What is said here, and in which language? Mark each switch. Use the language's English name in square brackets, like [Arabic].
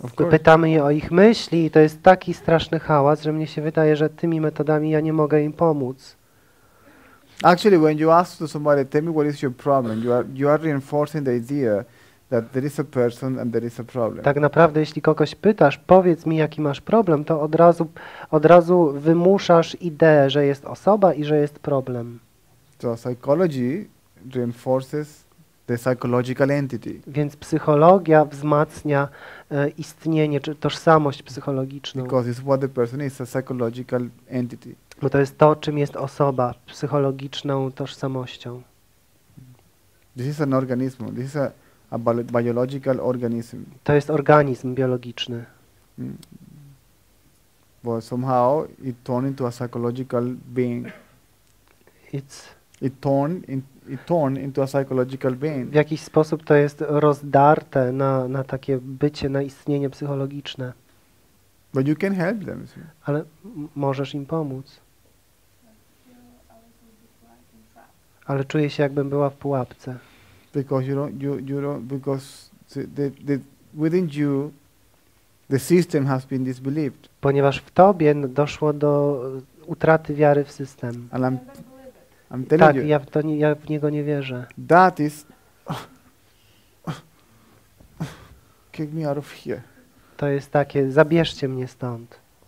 [Polish] Pytamy je o ich myśli i to jest taki straszny hałas, że mnie się wydaje, że tymi metodami ja nie mogę im pomóc. [English] Actually, when you ask to somebody, tell me what is your problem, you are reinforcing the idea that there is a person and there is a problem. [Polish] Tak naprawdę, jeśli kogoś pytasz, powiedz mi, jaki masz problem, to od razu wymuszasz ideę, że jest osoba i że jest problem. [English] So psychology reinforces the psychological entity. [Polish] Więc psychologia wzmacnia istnienie czy tożsamość psychologiczną. [English] Because it's what the person is, a psychological entity. [Polish] Bo to jest to, czym jest osoba, psychologiczną tożsamością. [English] This is an organism. This is a biological organism. [Polish] To jest organizm biologiczny. [English] Well, somehow it turned into a psychological being. It turned into a psychological being. [Polish] W jakiś sposób to jest rozdarte na takie bycie, na istnienie psychologiczne. [English] But you can help them. [Polish] Ale możesz im pomóc. Ale czuję się, jakbym była w pułapce. [English] Because you don't, because the within you, the system has been disbelieved. [Polish] Ponieważ w tobie doszło do utraty wiary w system. [English] And I'm telling [Polish] tak, [English] you. [Polish] Ja w niego nie wierzę. [English] That is. Kick me out of here. [Polish] To jest takie, zabierzcie mnie stąd.